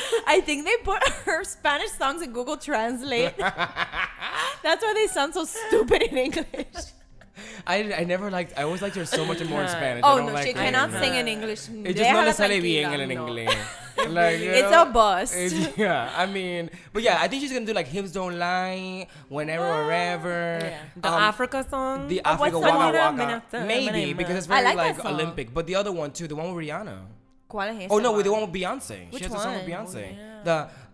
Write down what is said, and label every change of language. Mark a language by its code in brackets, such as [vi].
[en] I think they put her Spanish songs in Google Translate. That's why they sound so stupid in English. I never liked, I always liked her so much more in Spanish. Oh, I don't no, like she cannot sing in English. [es] It just no le sale bien en inglés. [en] Like, it's know, a bust. Yeah, I mean, but yeah, I think she's going to do like Hymns Don't Lie, Whenever or Ever. Yeah. The Africa song? The Africa Waka Waka. Maybe, because it's very like Olympic. But the other one too, the one with Rihanna. [es] ¿Cuál es [en] oh, no, with the one with Beyonce. She has The song with Beyonce. The